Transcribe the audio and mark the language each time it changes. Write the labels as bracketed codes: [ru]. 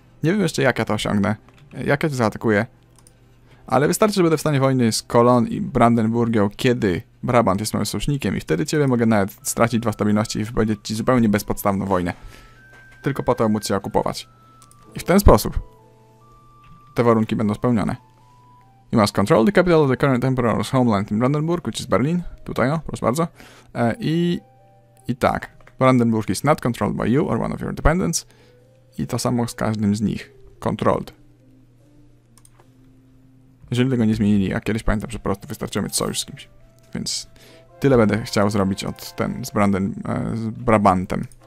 [pl] Nie wiem jeszcze jak ja to osiągnę. Jak ja cię zaatakuję. Ale wystarczy, że będę w stanie wojny z Kolon i Brandenburgią, kiedy Brabant jest moim sojusznikiem i wtedy ciebie mogę nawet stracić dwa stabilności i wypowiedzieć ci zupełnie bezpodstawną wojnę. Tylko po to móc się okupować. I w ten sposób te warunki będą spełnione. [en] You must control the capital of the current emperor's homeland in Brandenburg, which is Berlin. [pl] Tutaj, no, proszę bardzo. I tak. [en] Brandenburg is not controlled by you or one of your dependents. [pl] I to samo z każdym z nich. Controlled. Jeżeli tego nie zmienili, a kiedyś pamiętam, że po prostu wystarczyło mieć sojusz z kimś. Więc tyle będę chciał zrobić od ten z Brandem, z Brabantem.